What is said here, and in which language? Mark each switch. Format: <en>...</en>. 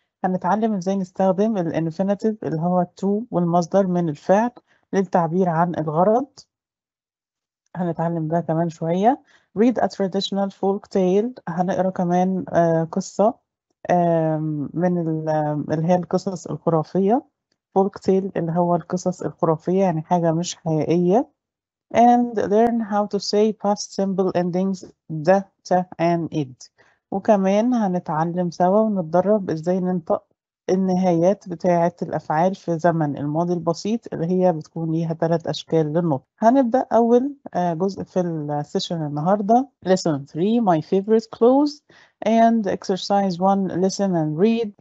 <ar>هنتعلم إزاي نستخدم الانفينيتيف اللي هو to والمصدر من الفعل للتعبير عن الغرض. هنتعلم ده كمان شوية.</ar> <en>Read a traditional folk tale.</en> <ar>هنقرأ كمان قصة من اللي هي القصص الخرافية. Folk tale اللي هو القصص الخرافية، يعني حاجة مش حقيقية.</ar> <en>And learn how to say past simple endings the, ta, and id.</en> <ar>وكمان هنتعلم سوا ونتدرب إزاي ننطق النهايات بتاعة الأفعال في زمن الماضي البسيط اللي هي بتكون ليها ثلاث أشكال للنطق. هنبدأ أول جزء في السيشن النهاردة.</ar> <en>Lesson 3 My Favorite Clothes and Exercise 1 Listen and Read.</en>